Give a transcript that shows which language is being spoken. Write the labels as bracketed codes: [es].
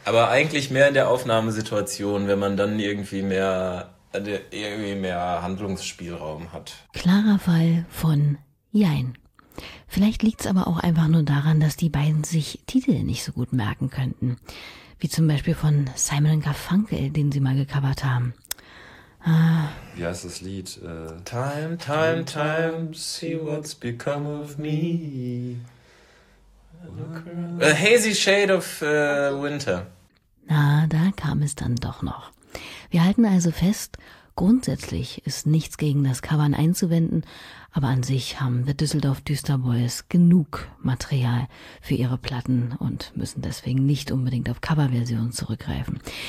[de] Aber eigentlich mehr in der Aufnahmesituation, wenn man dann irgendwie mehr Handlungsspielraum hat. Klarer Fall von Jein. Vielleicht liegt es aber auch einfach nur daran, dass die beiden sich Titel nicht so gut merken könnten. Wie zum Beispiel von Simon & Garfunkel, den sie mal gecovert haben. Wie heißt das Lied? [en] Time, time, time, see what's become of me. A hazy shade of winter. [de] Na, da kam es dann doch noch. Wir halten also fest, grundsätzlich ist nichts gegen das Covern einzuwenden, aber an sich haben The Düsseldorf Düsterboys genug Material für ihre Platten und müssen deswegen nicht unbedingt auf Coverversionen zurückgreifen.